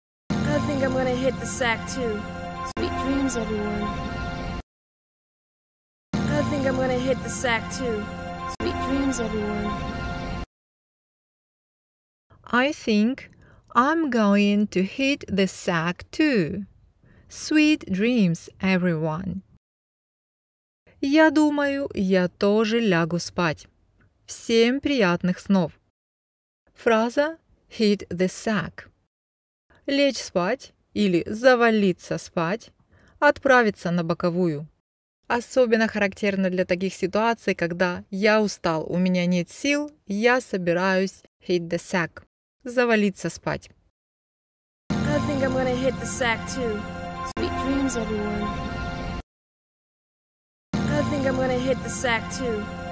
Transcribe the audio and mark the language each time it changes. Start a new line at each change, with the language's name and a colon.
English: I think I'm gonna hit the sack too. Sweet dreams, everyone. I think I'm gonna hit the sack too. Sweet dreams, everyone. I think I'm going to hit the sack too. Sweet dreams, everyone.
Russian: Я думаю, я тоже лягу спать. Всем приятных снов. Фраза
English: hit the sack.
Russian: Лечь спать или завалиться спать, отправиться на боковую. Особенно характерно для таких ситуаций, когда я устал, у меня нет сил, я собираюсь
English: hit the sack.
Russian: Завалиться спать.
English: I think I'm gonna hit the sack too. Sweet dreams, everyone. I think I'm gonna hit the sack too.